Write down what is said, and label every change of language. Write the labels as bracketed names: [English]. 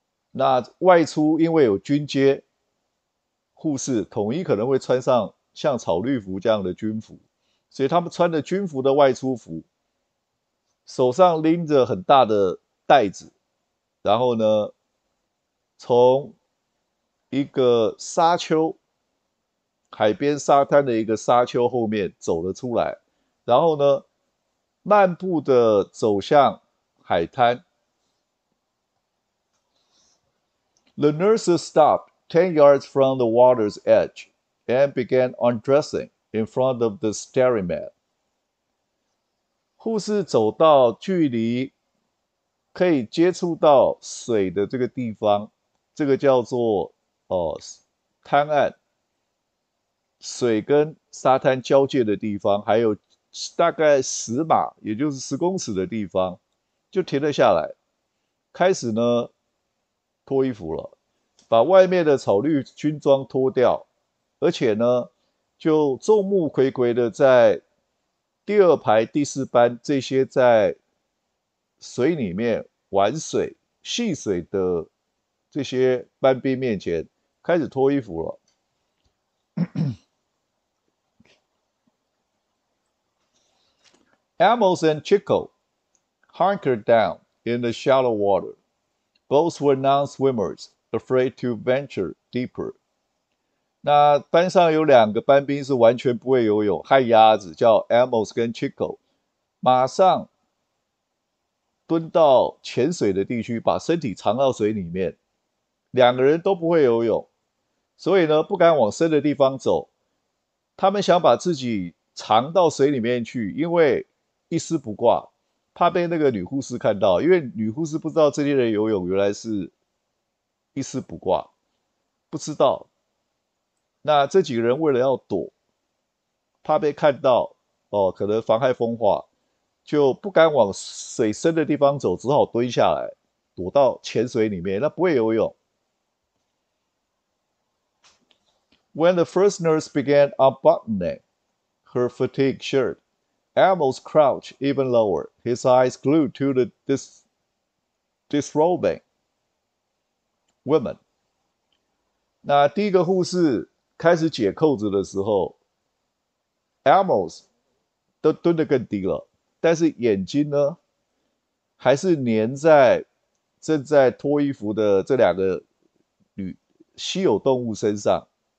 [Chinese] 那外出因为有军阶，护士统一可能会穿上像草绿服这样的军服，所以他们穿着军服的外出服，手上拎着很大的袋子，然后呢。从一个沙丘，海边沙滩的一个沙丘后面走了出来，然后呢，漫步的走向海滩。 [English] The nurses stopped 10 yards from the water's edge and began undressing in front of the staring man。 [Chinese] 护士走到距离可以接触到水的这个地方。这个叫做滩岸，水跟沙滩交界的地方，还有大概10码，也就是10公尺的地方，就停了下来，开始呢脱衣服了，把外面的草绿军装脱掉，而且呢就众目睽睽的在第二排、第四班这些在水里面玩水、戏水的。这些班兵面前开始脱衣服了。 [English] Amos and Chico hunkered down in the shallow water. Both were non-swimmers, afraid to venture deeper. [Chinese] 那班上有两个班兵是完全不会游泳，旱鸭子，叫 Amos 跟 Chico，马上蹲到潜水的地区，把身体藏到水里面。两个人都不会游泳，所以呢不敢往深的地方走。他们想把自己藏到水里面去，因为一丝不挂，怕被那个女护士看到。因为女护士不知道这些人游泳，原来是一丝不挂，不知道。那这几个人为了要躲，怕被看到，哦，可能妨害风化，就不敢往水深的地方走，只好蹲下来，躲到浅水里面。那不会游泳。 [English] When the first nurse began unbuttoning her fatigued shirt, Amos crouched even lower, his eyes glued to the disrobing woman. [Chinese] 那第一个护士开始解扣子的时候，Amos 都蹲得更低了，但是眼睛呢，还是粘在正在脱衣服的这两个稀有动物身上。